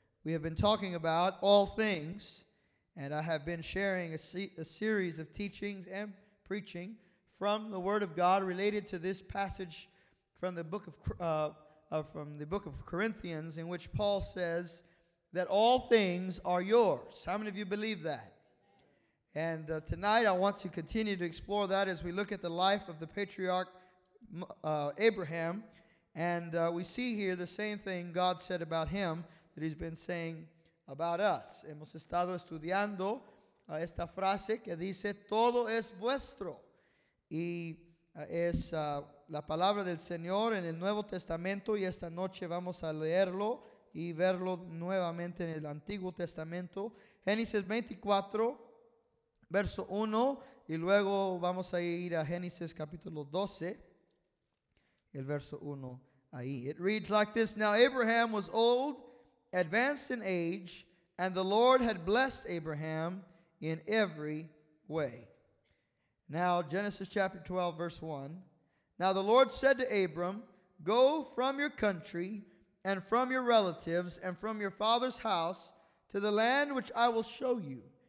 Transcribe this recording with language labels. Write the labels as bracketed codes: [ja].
[en] We have been talking about all things, and I have been sharing a series of teachings and preaching from the Word of God related to this passage from the book of Corinthians, in which Paul says that all things are yours. How many of you believe that? And tonight I want to continue to explore that as we look at the life of the patriarch Abraham. And we see here the same thing God said about him that he's been saying about us. [es] Hemos estado estudiando esta frase que dice, todo es vuestro. Y es la palabra del Señor en el Nuevo Testamento. Y esta noche vamos a leerlo y verlo nuevamente en el Antiguo Testamento. Génesis 24, verso 1. Y luego vamos a ir a Génesis capítulo 12. El verso 1 ahí. [en] It reads like this. Now Abraham was old, advanced in age, and the Lord had blessed Abraham in every way. Now Genesis chapter 12 verse 1. Now the Lord said to Abram, go from your country and from your relatives and from your father's house to the land which I will show you.